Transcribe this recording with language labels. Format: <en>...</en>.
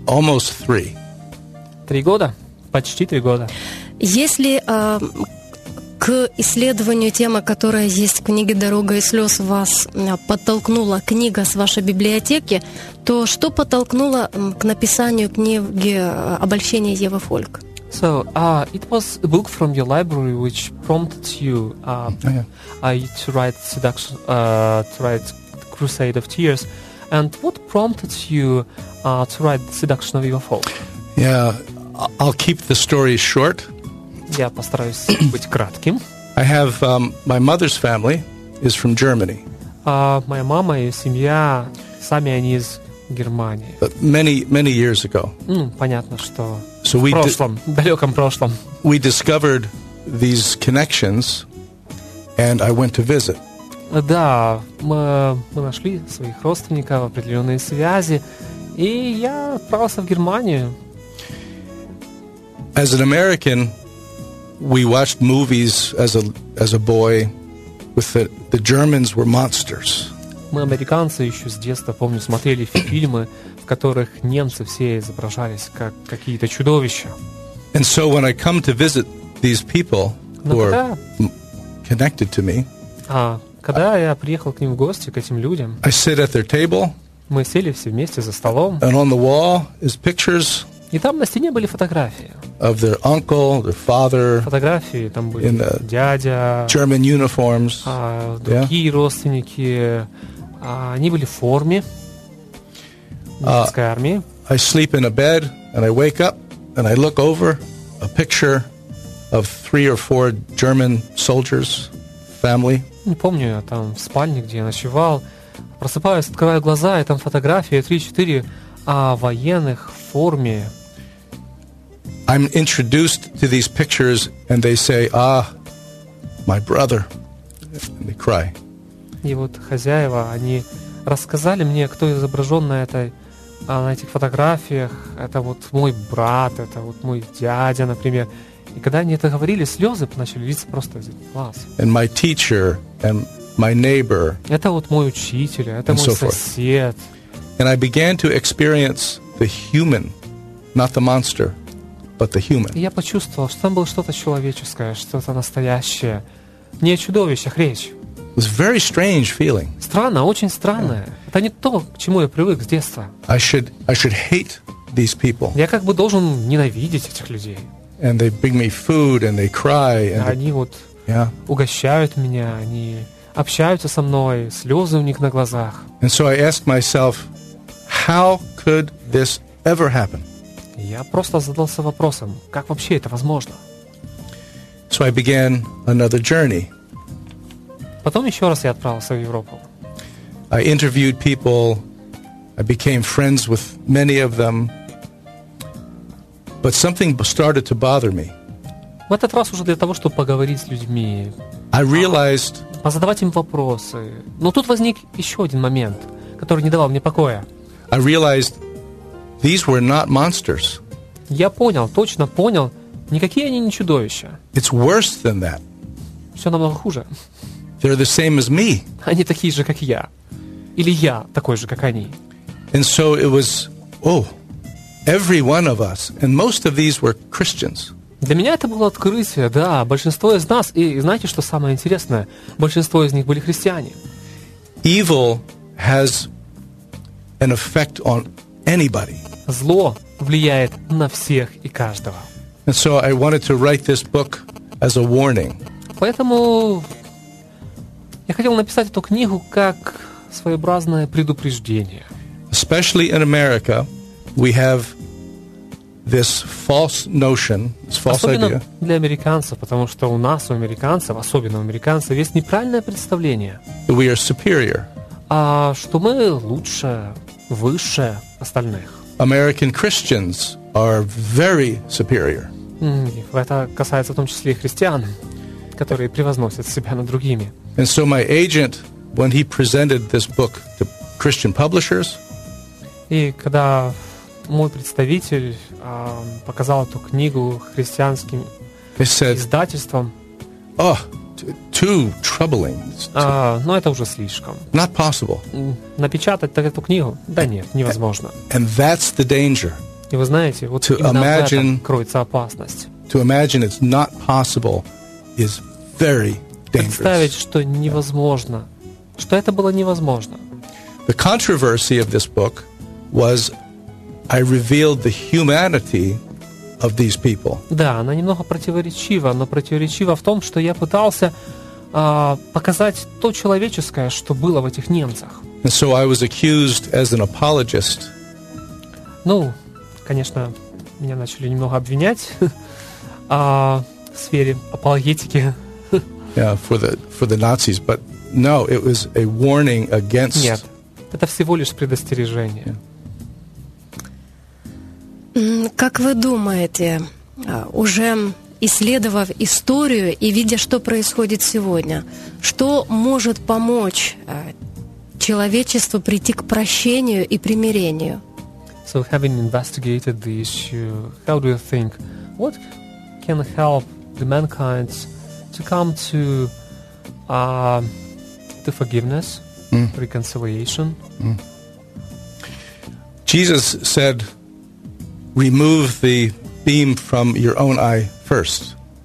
<en>Almost three.</en> <ru>Три года? Почти три года. Если к исследованию темы, которая есть в книге «Дорога и слез» вас подтолкнула книга с вашей библиотеки, то что подтолкнуло к написанию книги «Обольщение Евы Фольк»?</ru> <en>So, it was a book from your library which prompted you to write Seduction, to write Crusade of Tears. And what prompted you to write Seduction of Eva Falk? Yeah, I'll keep the story short.</en> <ru>Я постараюсь быть кратким.</ru> <en>I have my mother's family is from Germany.</en> <ru>Моя мама и семья, сами они из Германии.</ru> <en>But many, many years ago.</en> <ru>Понятно, что</ru> <en>so</en> <ru>в прошлом, в далеком прошлом.</ru> <en>We discovered these connections, and I went to visit.</en> <ru>Да, мы нашли своих родственников, определенные связи, и я отправился в Германию.</ru> <en>As an American, we watched movies as a boy with the Germans were monsters.</en> <ru>Мы, американцы, еще с детства, помню, смотрели фильмы, в которых немцы все изображались как какие-то чудовища.</ru> <en>And so when I come to visit these people who are connected to me,</en> <ru>когда я приехал к ним в гости, к этим людям,</ru> <en>I sit at their table,</en> <ru>мы сели все вместе за столом,</ru> <en>and on the wall is pictures,</en> <ru>и там на стене были фотографии</ru> <en>of their uncle, their father,</en> <ru>фотографии там были</ru> <en>in the</en> <ru>дядя,</ru> <en>German uniforms,</en> <ru>другие родственники, они были в форме немецкой армии.</ru> <en>I sleep in a bed and I wake up and I look over a picture of three or four German soldiers' family.</en> <ru>Не помню я там в спальне, где я ночевал, просыпаюсь, открываю глаза, и там фотографии 3-4 военных в форме.</ru> <en>I'm introduced to these pictures, and they say, "Ah, my brother," and they cry.</en> <ru>И вот хозяева, они рассказали мне, кто изображен на этих фотографиях. Это вот мой брат, это вот мой дядя, например. И когда они это говорили, слезы начали литься просто из глаз.</ru> <en>And my teacher, and my neighbor.</en> <ru>Это вот мой учитель, это мой сосед.</ru> <en>And I began to experience the human, not the monster. But the human.</en> <ru>Я почувствовал, что там было что-то человеческое, что-то настоящее. Не о чудовищах речь.</ru> <en>It was a very strange feeling.</en> <ru>Странно, очень странное.</ru> <en>Yeah.</en> <ru>Это не то, к чему я привык с детства.</ru> <en>I should hate these people.</en> <ru>Я как бы должен ненавидеть этих людей.</ru> <en>And they bring me food and they cry. And</en> <ru>они вот угощают меня, они общаются со мной, слезы у них на глазах.</ru> <en>And so I asked myself, how could this ever happen?</en> <ru>Я просто задался вопросом, как вообще это возможно?</ru> <en>So I began another journey.</en> <ru>Потом еще раз я отправился в Европу.</ru> <en>I interviewed people, I became friends with many of them, but something started to bother me.</en> <ru>В этот раз уже для того, чтобы поговорить с людьми,</ru> <en>I realized,</en> <ru>позадавать им вопросы. Но тут возник еще один момент, который не давал мне покоя.</ru> <en>I realized, these were not monsters.</en> <ru>Я понял, точно понял, никакие они не чудовища.</ru> <en>It's worse than that.</en> <ru>Все намного хуже.</ru> <en>They're the same as me.</en> <ru>Они такие же, как я. Или я такой же, как они.</ru> <en>And so it was, every one of us, and most of these were Christians.</en> <ru>Для меня это было открытие, да, большинство из нас, и знаете, что самое интересное, большинство из них были христиане.</ru> <en>Evil has an effect on anybody.</en> <ru>Зло влияет на всех и каждого.</ru> <en>And so I wanted to write this book as a warning.</en> <ru>Поэтому я хотел написать эту книгу как своеобразное предупреждение.</ru> <en>Especially in America, we have this false notion, this false</en> <ru>особенно</ru> <en>idea.</en> <ru>Особенно для американцев, потому что у нас, у американцев, особенно у американцев, есть неправильное представление.</ru> <en>That we are superior.</en> <ru>А что мы лучше, выше остальных.</ru> <en>American Christians are very superior.</en> <ru>Это касается в том числе и христиан, которые превозносят себя над другими.</ru> <en>And so my agent when he presented this book to Christian publishers,</en> <ru>и когда мой представитель показал эту книгу христианским издательствам,</ru> <en>oh, too troubling.</en> <ru>Но это уже слишком.</ru> <en>Not possible.</en> <ru>Напечатать эту книгу? Да нет, невозможно.</ru> <en>And that's the danger.</en> <ru>И вы знаете, вот именно</ru> <en>imagine,</en> <ru>в этом кроется опасность.</ru> <en>To imagine it's not possible is very dangerous.</en> <ru>Представить, что невозможно, что это было невозможно.</ru> <en>The controversy of this book was I revealed the humanity of these people.</en> <ru>Да, она немного противоречива, но противоречива в том, что я пытался показать то человеческое, что было в этих немцах.</ru> <en>And so I was accused as an apologist.</en> <ru>Ну, конечно, меня начали немного обвинять в сфере апологетики.</ru> <en>Yeah, for the Nazis, but no, it was a warning against.</en> <ru>Нет, это всего лишь предостережение.</ru> <en>Yeah.</en> <ru>Как вы думаете, уже исследовав историю и видя, что происходит сегодня, что может помочь человечеству прийти к прощению и примирению?</ru> <en>So having investigated the issue, how do you think what can help the mankind to come to the forgiveness, reconciliation? Jesus said remove the beam from your own eye first.</en>